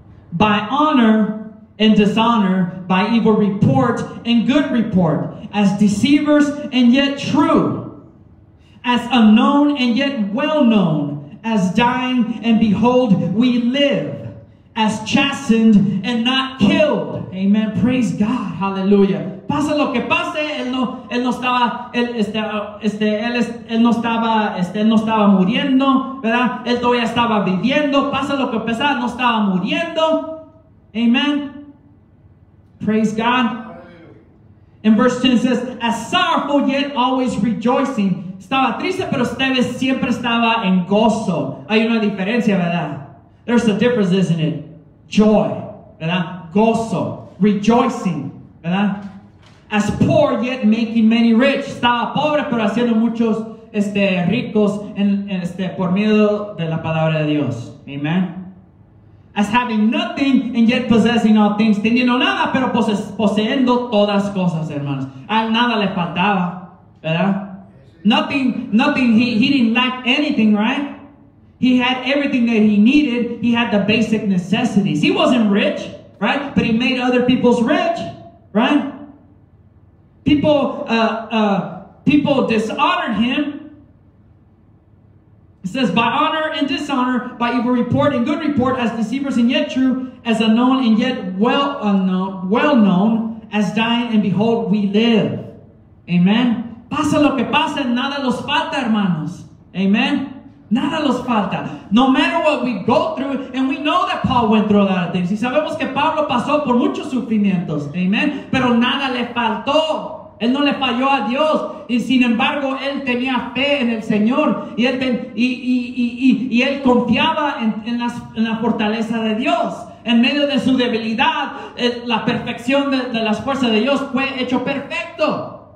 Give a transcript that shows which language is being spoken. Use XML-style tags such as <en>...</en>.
<en>By honor and dishonor, by evil report and good report, as deceivers and yet true, as unknown and yet well known, as dying and behold we live, as chastened and not killed. Amen. Praise God. Hallelujah.</en> <es>Pase lo que pase, él no estaba muriendo, ¿verdad? Él todavía estaba viviendo. Pase lo que pase, no estaba muriendo. Amen.</es> <en>Praise God. In verse 10 says, as sorrowful yet always rejoicing.</en> <es>Estaba triste, pero ustedes siempre estaba en gozo. Hay una diferencia, ¿verdad?</es> <en>There's a difference, isn't it? Joy,</en> <es>¿verdad?</es> <en>Gozo, rejoicing, ¿verdad? As poor yet making many rich.</en> <es>Estaba pobre, pero haciendo muchos ricos por medio de la palabra de Dios. Amen.</es> <en>As having nothing and yet possessing all things.</en> <es>Teniendo nada, pero poseyendo todas cosas, hermanos. A nada le faltaba, ¿verdad?</es> <en>Nothing, he didn't lack anything, right? He had everything that he needed. He had the basic necessities. He wasn't rich, right? But he made other people's rich, right? People dishonored him. It says, by honor and dishonor, by evil report and good report, as deceivers and yet true, as unknown and yet well known, as dying and behold, we live. Amen.</en> <es>Pasa lo que pasa, nada los falta, hermanos. Amen. Nada los falta.</es> <en>No matter what we go through, and we know that Paul went through a lot of things.</en> <es>Y sabemos que Pablo pasó por muchos sufrimientos. Amen. Pero nada le faltó. Él no le falló a Dios, y sin embargo él tenía fe en el Señor, y él confiaba en la fortaleza de Dios. En medio de su debilidad, la perfección de las fuerzas de Dios fue hecho perfecto.</es>